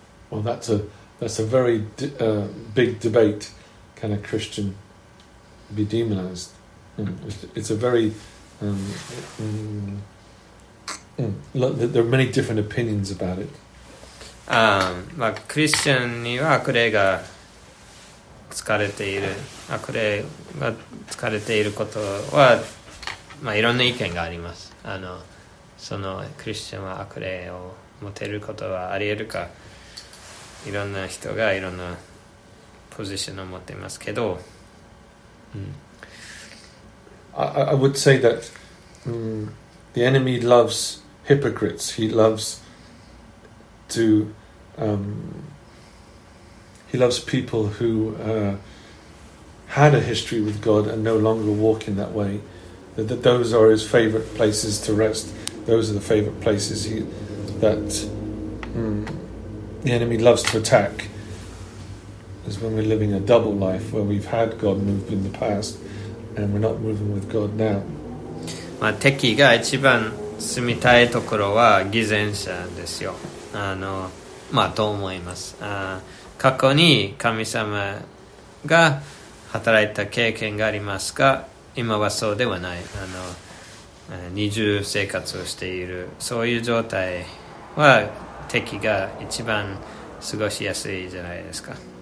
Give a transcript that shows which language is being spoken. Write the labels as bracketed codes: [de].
[en] Well, that's a very big debate. Can a Christian be demonized? It's a very there are many different opinions about it. [ja] まあ、クリスチャンには悪霊が疲れている、悪霊が疲れていることは、まあ、いろんな意見があります。あの、そのクリスチャンは悪霊を持てることはありえるか、いろんな人がいろんなポジションを持っていますけど、うん、 [en] I would say that the enemy loves hypocrites. He loves to he loves people who had a history with God and no longer walk in that way. That those are his favorite places to rest. Those are the favorite places that the enemy loves to attack. Is when we're living a double life, where we've had God move in the past. And we're not moving with God now. [ja] まあ、敵が一番住みたいところは偽善者ですよ。あの、まあ、と思います。あ、過去に神様が働いた経験がありますか？今はそうではない、あの二重生活をしている、そういう状態は敵が一番過ごしやすいじゃないですか、